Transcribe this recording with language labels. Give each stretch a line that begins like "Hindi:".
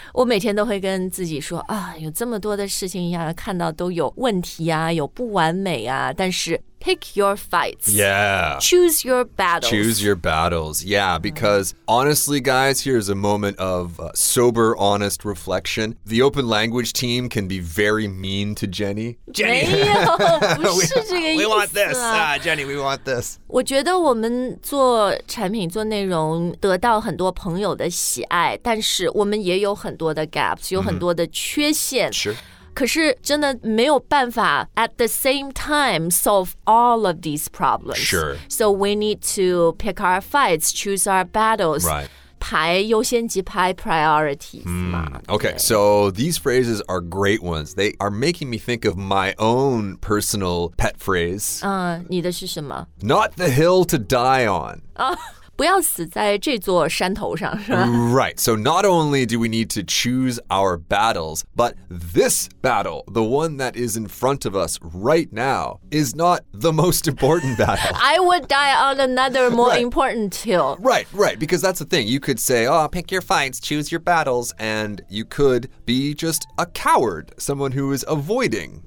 Chinese: 我每天都会跟自己说啊，有这么多的事情要看到都有问题啊，有不完美啊，但是
English: pick your fights. Yeah. Choose your battles. Choose your battles. Yeah, because honestly, guys, here's a moment of sober, honest reflection. The open language team can be very mean to Jenny. Jenny!
Chinese: 没有，不是这个意思啊。
English: We want this. Jenny, we want this.
Chinese: 我觉得我们做产品、做内容得到很多朋友的喜爱，但是我们也有很多的 gaps, 有很多的缺陷。
English: Mm-hmm. Sure.
Chinese: 可是真的没有办法
English: at the same time solve all of these problems. Sure. So we need to pick our fights, choose our battles. Right.
Chinese: 排优先级排 priorities、mm. 嘛
English: Okay, so these phrases are great ones. They are making me think of my own personal pet phrase.
Chinese: 你的是什么
English: Not the hill to die on.
Chinese: 不要死在这座山头上是吧
English: Right, so not only do we need to choose our battles, but this battle, the one that is in front of us right now, is not the most important battle. I would die on another more right. important hill. Right, right, because that's the thing. You could say, oh, pick your fights, choose your battles, and you could be just a coward, someone who is avoiding.